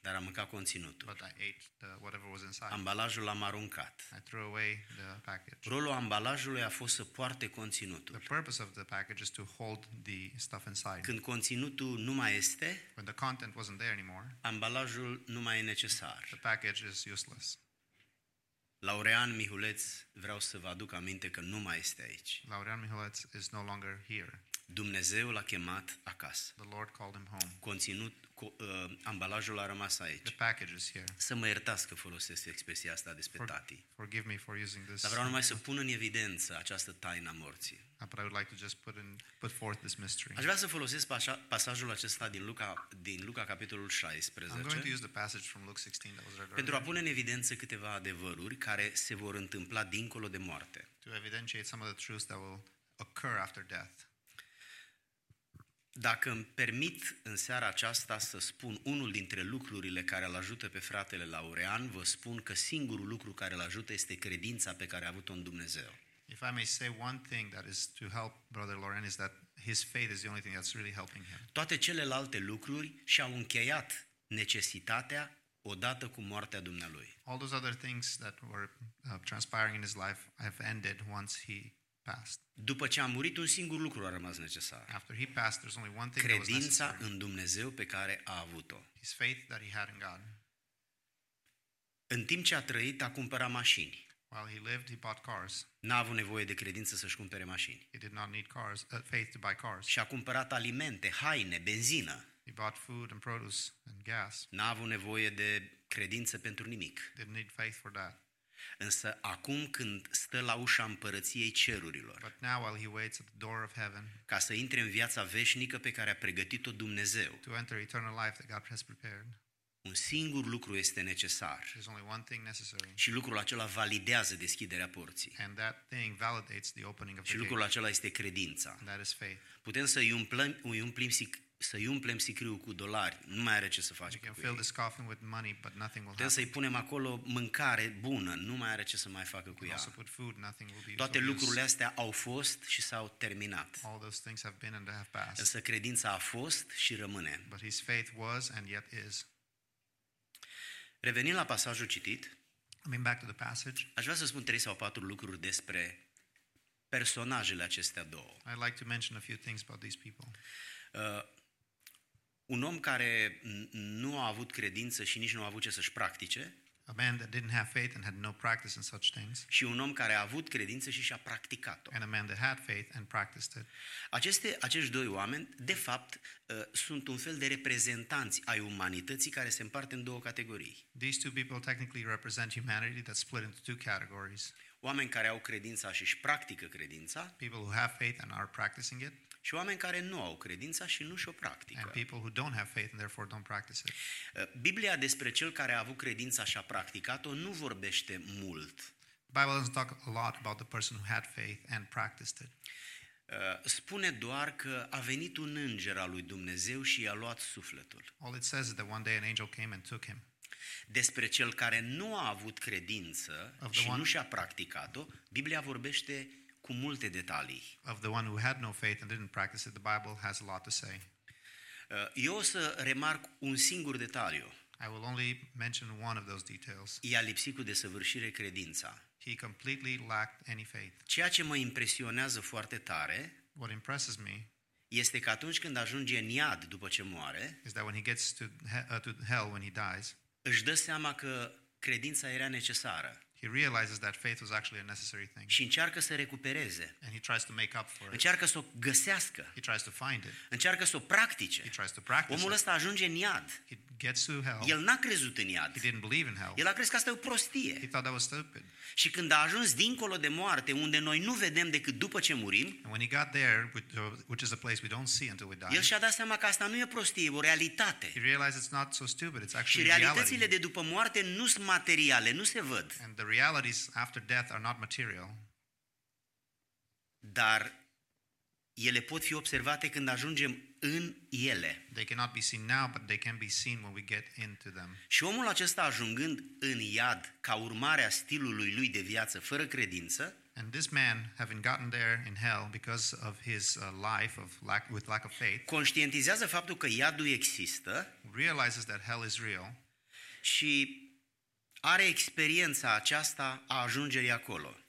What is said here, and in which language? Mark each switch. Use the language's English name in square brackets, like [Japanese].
[Romanian] Dar am mâncat conținutul. [English] But I ate whatever was inside. [Romanian] Ambalajul l-am aruncat. [English] I threw away the package. [Romanian] Rolul ambalajului a fost să poarte conținutul. [English] The purpose of the package is to hold the stuff inside. [Romanian] Când conținutul nu mai este, [English] when the content wasn't there anymore, [Romanian] ambalajul nu mai e necesar. [English] The package is useless. [Romanian] Laurean Mihulet, vreau să vă aduc aminte că nu mai este aici. [English] Laurean Mihulet is no longer here. [Romanian] Dumnezeu l-a chemat acasă. [English] The Lord called him home. [Romanian] Conținut, ambalajul a rămas aici. [English] The package is here. [Romanian] Să mă iertați că folosesc expresia asta despre tati. [English] Forgive me for using this. [Romanian] Dar vreau numai să pun în evidență această taină a morții. [English] But I would like to just put forth this mystery. [Romanian] Aș vrea să folosesc pasajul acesta din Luca capitolul 16. [English] I'm going to use the passage from Luke 16 that was read earlier. [Romanian] Pentru a pune în evidență câteva adevăruri care se vor întâmpla dincolo de moarte. [English] To evidentiate some of the truths that will occur after death. [Romanian] Dacă îmi permit în seara aceasta să spun unul dintre lucrurile care îl ajută pe fratele Laurean, vă spun că singurul lucru care îl ajută este credința pe care a avut-o în Dumnezeu. [English] If I may say one thing that is to help brother Laurean is that his faith is the only thing that's really helping him. [Romanian] Toate celelalte lucruri și-au încheiat necesitatea odată cu moartea dumnealui. [English] All those other things that were transpiring in his life have ended once he passed. [Romanian] După ce a murit, un singur lucru a rămas necesar. [English] After he passed, there's only one thing [Romanian] credința în Dumnezeu pe care a avut-o. [English] His faith that he had in God. [Romanian] În timp ce a trăit, a cumpărat mașini. [English] While he lived, he bought cars. [Romanian] N-a avut nevoie de credință să-și cumpere mașini. [English] He did not need cars, faith to buy cars. [Romanian] Și a cumpărat alimente, haine, benzină. [English] He bought food and produce and gas. [Romanian] N-a avut nevoie de credință pentru nimic. [English] Didn't need faith for that. [Romanian] Însă acum când stă la ușa împărăției cerurilor, [English] but now, while he waits at the door of heaven, [Romanian] ca să intre în viața veșnică pe care a pregătit-o Dumnezeu, [English] to enter eternal life that God has prepared, [Romanian] Un singur lucru este necesar. [English] There's only one thing necessary. [Romanian] Și lucrul acela validează deschiderea porții. [English] And that thing validates the opening of the [Romanian] gate. Și lucrul acela este credința. [English] And that is faith. [Romanian] Putem să umplem să umplem sicriul cu dolari, nu mai are ce să faci. [English] You can fill this coffin with money, but nothing will happen. [Romanian] Putem să-i punem acolo mâncare bună, nu mai are ce să mai facă cu ea. [English] Also put food, nothing will be useful. [Romanian] Toate lucrurile astea au fost și s-au terminat. [English] All those things have been and they have passed. [Romanian] Însă credința a fost și rămâne. [English] But his faith was and yet is. [Romanian] Revenind la pasajul citit, [English] coming back to the passage, [Romanian] aș vrea să spun trei sau patru lucruri despre personajele acestea două. [English] I'd like to mention a few things about these people. [Romanian] Un om care nu a avut credință și nici nu a avut ce să-și practice. [English] A man that didn't have faith and had no practice in such things. [Romanian] Și un om care a avut credință și și-a practicat-o. [English] And a man that had faith and practiced it. [Romanian] Acești doi oameni, de fapt, sunt un fel de reprezentanți ai umanității care se împarte în două categorii. [English] These two people technically represent humanity that's split into two categories. [Romanian] Oameni care au credința și își practică credința. [English] People who have faith and are practicing it. [Romanian] Și oameni care nu au credința și nu și-o practică. [English] And people who don't have faith and therefore don't practice it. [Romanian] Biblia despre cel care a avut credința și a practicat-o nu vorbește mult. [English] The Bible doesn't talk a lot about the person who had faith and practiced it. [Romanian] Spune doar că a venit un înger al lui Dumnezeu și i-a luat sufletul. [English] All it says is that one day an angel came and took him. [Romanian] Despre cel care nu a avut credință și nu și-a practicat-o, Biblia vorbește cu multe detalii. [English] Of the one who had no faith and didn't practice it, the Bible has a lot to say. [Romanian] Eu o să remarc un singur detaliu. [English] I will only mention one of those details. [Romanian] I-a lipsit cu desăvârșire credința. [English] He completely lacked any faith. [Romanian] Ceea ce mă impresionează foarte tare, [English] what impresses me, [Romanian] este că atunci când ajunge în iad după ce moare, [English] is that when he gets to hell when he dies, [Romanian] își dă seama că credința era necesară. [English] He realizes that faith was actually a necessary thing. [Romanian] Și încearcă să recupereze. [English] And he tries to make up for it. [Romanian] Încearcă să o găsească. [English] He tries to find it. [Romanian] Încearcă să o practice. [English] He tries to practice. [Romanian] Omul ăsta ajunge în iad. [English] He gets to hell. [Romanian] El n-a crezut în iad. [English] He didn't believe in hell. [Romanian] El a crezut că asta e o prostie. [English] He thought that was stupid. [Romanian] Și când a ajuns dincolo de moarte, unde noi nu vedem decât după ce murim, [English] and when he got there, which is a place we don't see until we die, [Romanian] el și-a dat seama că asta nu e prostie, e o realitate. [English] He realized it's not so stupid, it's actually [Romanian] și realitățile de după moarte nu sunt materiale, nu se văd. [English] And the realities after death are not material. [Romanian] Dar ele pot fi observate când ajungem în ele. [English] They cannot be seen now, but they can be seen when we get into them. [Romanian] Și omul acesta ajungând în iad ca urmare a stilului lui de viață fără credință, [English] and this man having gotten there in hell because of his life of lack with lack of faith, [Romanian] conștientizează faptul că iadul există, [English] realizes that hell is real, [Romanian] și are experiența aceasta a ajungerii acolo.